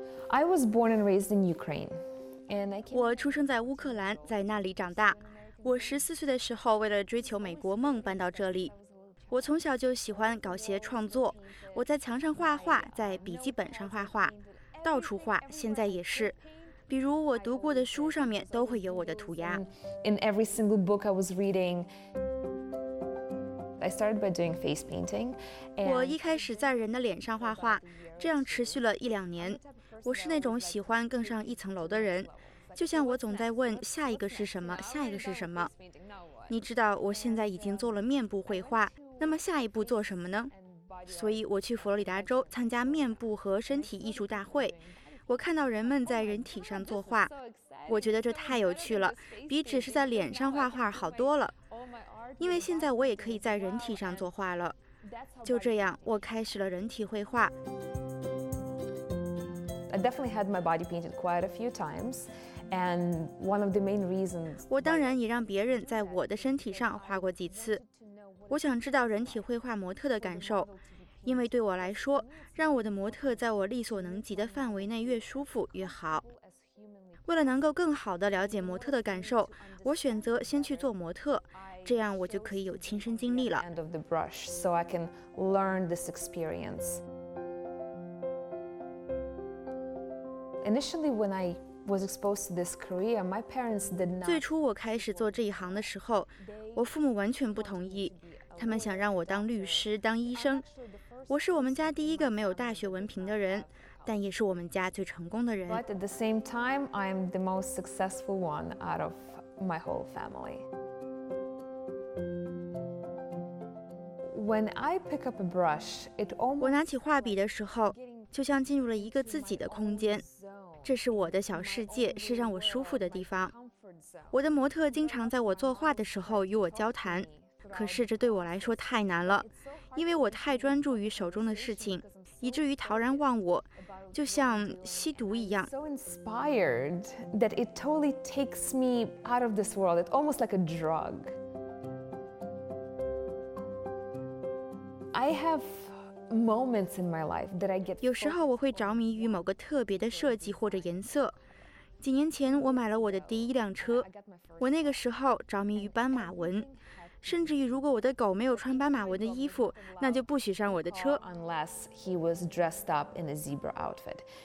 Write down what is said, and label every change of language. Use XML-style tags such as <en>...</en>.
<en>I was born and raised in Ukraine, and I came.</en> <zh>我出生在乌克兰，在那里长大。我14岁的时候，为了追求美国梦，搬到这里。我从小就喜欢搞些创作，我在墙上画画，在笔记本上画画，到处画，现在也是。比如我读过的书上面都会有我的涂鸦。</zh> <en>In every single book I was reading. I started by doing face painting.</en> <zh>我一开始在人的脸上画画，这样持续了一两年。我是那种喜欢更上一层楼的人，就像我总在问下一个是什么，下一个是什么。你知道我现在已经做了面部绘画，那么下一步做什么呢？所以我去佛罗里达州参加面部和身体艺术大会，我看到人们在人体上作画，我觉得这太有趣了，比只是在脸上画画好多了。因为现在我也可以在人体上作画了，就这样，我开始了人体绘画。</zh> <en>I definitely had my body painted quite a few times, and one of the main reasons.</en> <zh>我当然也让别人在我的身体上画过几次。我想知道人体绘画模特的感受，因为对我来说，让我的模特在我力所能及的范围内越舒服越好。为了能够更好地了解模特的感受，我选择先去做模特。这样我就可以有亲身经历了。最初我开始做这一行的时候，我父母完全不同意，他们想让我当律师、当医生。我是我们家第一个没有大学文凭的人，但也是我们家最成功的人。</zh> <en>But at the same time, I'm the most successful one out of my whole family. When I pick up a brush, it almost</en> <zh>我拿起画笔的时候，就像进入了一个自己的空间，这是我的小世界，是让我舒服的地方。我的模特经常在我作画的时候与我交谈，可是这对我来说太难了，因为我太专注于手中的事情，以至于陶然忘我，就像吸毒一样。</zh> <en>So inspired that it totally takes me out of this world. It's almost like a drug. I have moments in my life that I get.</en> <zh>有时候我会着迷于某个特别的设计或者颜色。几年前我买了我的第一辆车，我那个时候着迷于斑马纹，甚至于如果我的狗没有穿斑马纹的衣服，那就不许上我的车。</zh> <en>Unless he was dressed up in a zebra outfit.</en>